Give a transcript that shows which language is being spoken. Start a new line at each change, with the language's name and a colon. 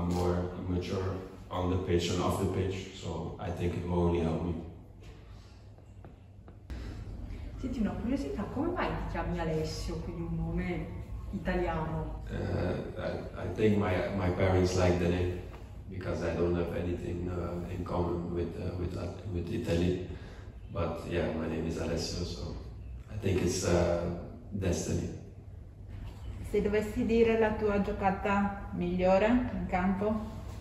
English: I'm more mature on the pitch and off the pitch. So I think it will only help me.
Italian: Senti, una curiosità, come mai ti chiami Alessio, quindi un nome italiano?
English: I think my parents like the name because I don't have anything in common with Italy. But yeah, my name is Alessio, so I think it's destiny.
Italian: Se dovessi dire la tua giocata migliore in campo?